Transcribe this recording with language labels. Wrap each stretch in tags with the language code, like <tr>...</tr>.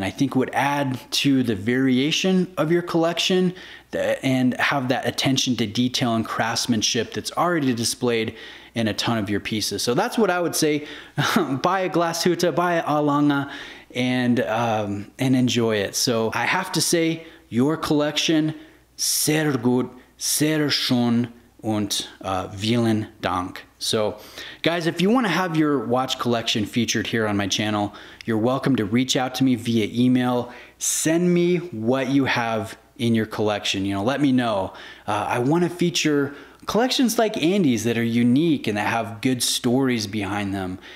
<en>And I think would add to the variation of your collection and have that attention to detail and craftsmanship that's already displayed in a ton of your pieces. So that's what I would say. Buy a Glashütte, buy an A Lange, and enjoy it. So I have to say, your collection,</en> <de>sehr gut, sehr schön, und vielen Dank.</de> <en>So guys, if you want to have your watch collection featured here on my channel, you're welcome to reach out to me via email. Send me what you have in your collection. You know, let me know. I want to feature collections like Andy's that are unique and that have good stories behind them.</en>